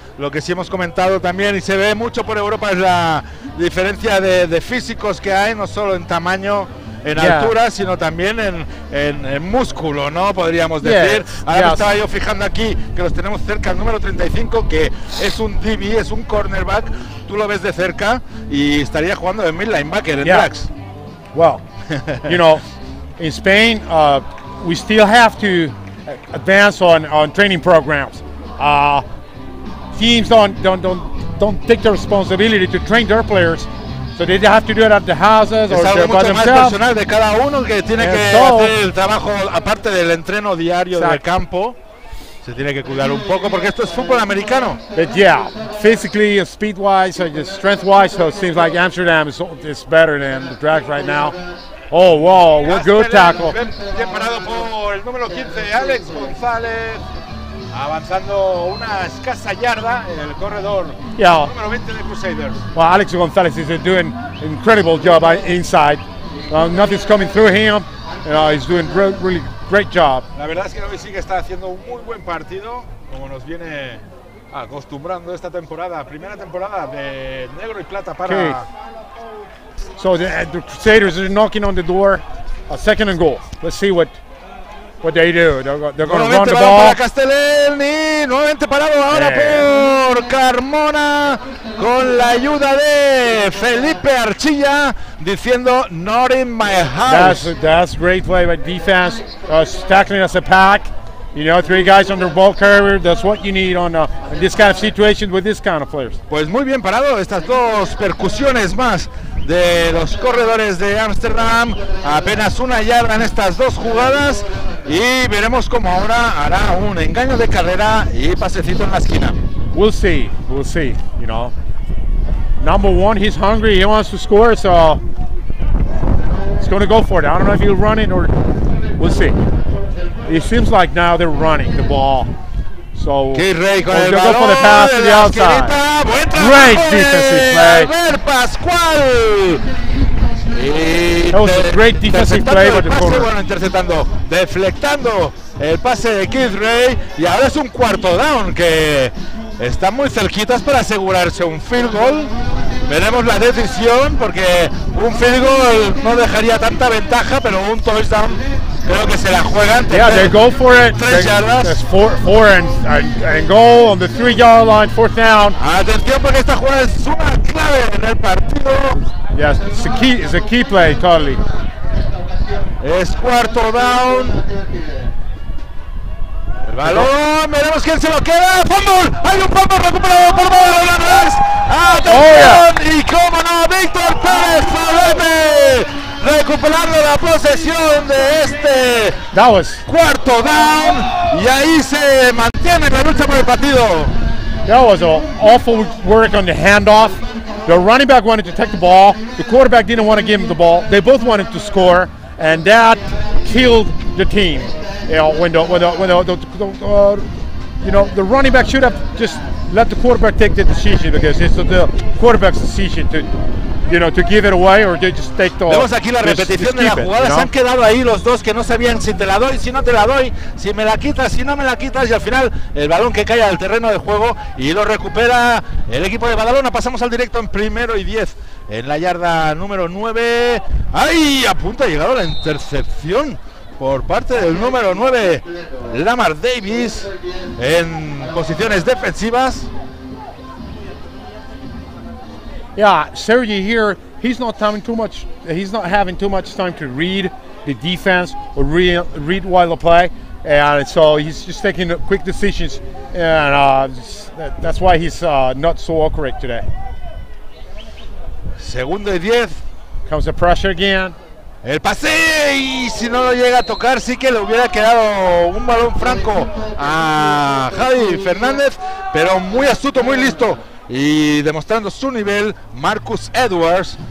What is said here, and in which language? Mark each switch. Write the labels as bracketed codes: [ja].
[es] Lo que sí hemos comentado también, y se ve mucho por Europa, es la diferencia de físicos que hay, no solo en tamaño, en altura, sino también en músculo, ¿no? Podríamos decir. Ahora me estaba yo fijando aquí que los tenemos cerca, el número 35, que es un DB, es un cornerback. Tú lo ves de cerca y estaría jugando de middle linebacker en Drax. [en] Well, you know, in Spain, we still have to advance on training programs. Teams don't take the responsibility to train their players, so they have to do it at the houses or by themselves. [es] Es algo mucho más personal de cada uno que tiene que hacer el trabajo aparte del entreno diario del campo. Se tiene que cuidar un poco porque esto es fútbol americano. [en] But yeah, physically, speed-wise, strength-wise, so it seems like Amsterdam is better than the Drax right now. Oh, wow, what a good tackle. [es] Bien parado por el número 15, Alex González, avanzando una escasa yarda en el corredor. [en] Yeah. [es] Número 20 de Crusaders. [en] Well, Alex González is doing an incredible job inside. Nothing's coming through him. He's doing really great job. [es] La verdad es que hoy sí que está haciendo un muy buen partido, como nos viene acostumbrando esta temporada, primera temporada de negro y plata para... [en] Okay. So the Crusaders are knocking on the door, a second and goal. Let's see what they do. They're going to run the ball. [es] Para Castellini, nuevamente parado ahora por Carmona, con la ayuda de Felipe Archilla, diciendo, [en] not in my house. That's great play by defense, tackling as a pack. You know, three guys on the ball carrier, that's what you need on in this kind of situation with this kind of players. [es] Pues muy bien parado, estas dos percusiones más de los corredores de Ámsterdam, apenas una yarda en estas dos jugadas y veremos cómo ahora hará un engaño de carrera y pasecito en la esquina. [en] We'll see, you know. Number one, he's hungry, he wants to score, so he's going to go for it. I don't know if he'll run it or we'll see. It seems like now they're running the ball. So, [es] Kid Rey con el balón de la esquinita, buen trabajo de Albert Pascual. [en] That was a great defensive play by the corner. [es] Bueno, interceptando, deflectando el pase de Kid Rey. Y ahora es un cuarto down que están muy cerquitas para asegurarse un field goal. Veremos la decisión porque un field goal no dejaría tanta ventaja, pero un touchdown... Creo que se la juegan. [en] Yeah, they go for it. [es] Tres yardas. [en] That's four and goal on the 3-yard line, fourth down. [es] Atención porque esta jugada es una clave en el partido. [en] Yes, it's a key play, totally. [es] Es cuarto down. El balón, veremos quién se lo queda. Fútbol, hay un fútbol recuperado por Mario Hernández. Atención, y cómo no, Víctor Pérez Palome. Recuperando la posesión de este cuarto down y ahí se mantiene la lucha por el partido. [en] That was an awful work on the handoff. The running back wanted to take the ball. The quarterback didn't want to give him the ball. They both wanted to score and that killed the team. The running back should have just let the quarterback take the decision because it's the quarterback's decision to. To give it away or they just take the ball. [es] Vemos aquí la repetición de la jugada. Se han quedado ahí los dos que no sabían si te la doy, si no te la doy, si me la quitas, si no me la quitas. Y al final el balón que cae al terreno de juego y lo recupera el equipo de Badalona. Pasamos al directo en primero y 10 en la yarda número 9. ¡Ay! A punto ha llegado la intercepción por parte del número 9, Lamar Davis, en posiciones defensivas. [en] Yeah, Sergi here, he's not having too much time to read the defense or read while the play. And so he's just taking quick decisions. And that's why he's not so accurate today. [es] Segundo y 10. [en] Comes the pressure again. [es] El pase, y si no lo llega a tocar, sí que le hubiera quedado un balón franco a Javi Fernández, pero muy astuto, muy listo, y demostrando su nivel, Marcus Edwards.